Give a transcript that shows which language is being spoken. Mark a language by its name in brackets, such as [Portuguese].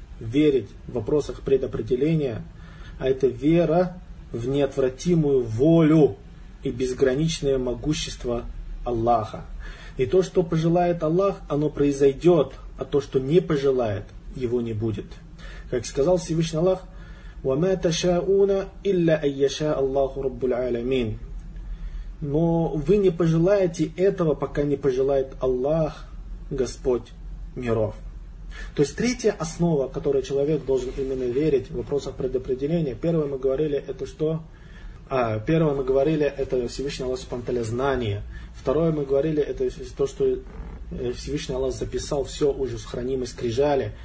[Russian] верить в вопросах предопределения, а это вера в неотвратимую волю и безграничное могущество Аллаха. И то, что пожелает Аллах, оно произойдет, а то, что не пожелает, его не будет. Как сказал Всевышний Аллах, [Arabic] وَمَا تَشَاءُونَ إِلَّا أَيَّشَاءَ اللَّهُ رَبُّ الْعَالَمِينَ. [Russian] Но вы не пожелаете этого, пока не пожелает Аллах, Господь миров. То есть третья основа, которой человек должен именно верить в вопросах предопределения, первое мы говорили, это что? Первое мы говорили, это Всевышний Аллах Субхану Тааля знание. Второе мы говорили, это то, что Всевышний Аллах записал все уже в хранимой скрижали.